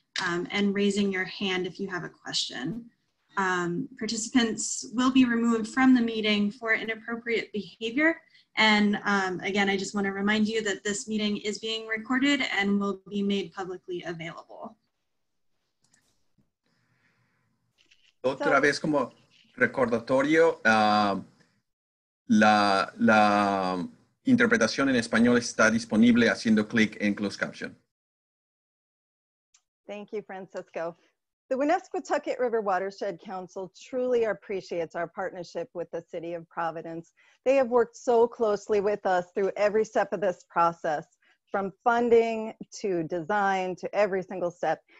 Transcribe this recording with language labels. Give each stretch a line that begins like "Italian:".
English: And raising your hand if you have a question. Participants will be removed from the meeting for inappropriate behavior. And again, I just want to remind you that this meeting is being recorded and will be made publicly available.
Spanish: Otra vez como recordatorio, la interpretación en español está disponible haciendo clic en closed caption.
English: Thank you, Francisco. The Woonasquatucket River Watershed Council truly appreciates our partnership with the City of Providence. They have worked so closely with us through every step of this process, from funding to design to every single step.